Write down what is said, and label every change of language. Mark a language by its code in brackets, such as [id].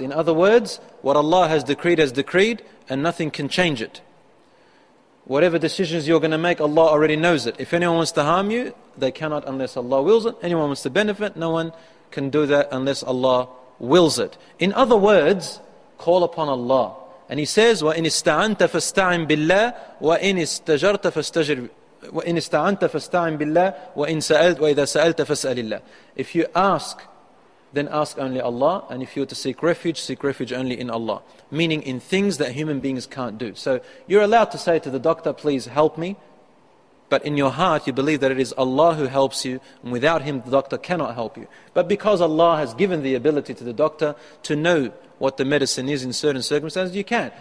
[en] In other words, what Allah has decreed has decreed, and nothing can change it. Whatever decisions you're going to make, Allah already knows it. If anyone wants to harm you, they cannot unless Allah wills it. Anyone wants to benefit, no one can do that unless Allah wills it. In other words, call upon Allah. [ar] And he says, وَإِنْ إِسْتَعَنْتَ فَاسْتَعِنْ بِاللَّهِ وَإِنْ إِسْتَجَرْتَ فَاسْتَجِرْ وَإِنْ إِسْتَعَنْتَ فَاسْتَعِنْ بِاللَّهِ وَإِنْ سَأَلْتَ وَإِذَا سَأَلْتَ فَاسْأَلِ اللَّهِ. [en] If you ask, then ask only Allah. And if you were to seek refuge only in Allah. Meaning in things that human beings can't do. So you're allowed to say to the doctor, please help me. But in your heart, you believe that it is Allah who helps you, and without him, the doctor cannot help you. But because Allah has given the ability to the doctor to know what the medicine is in certain circumstances, you can.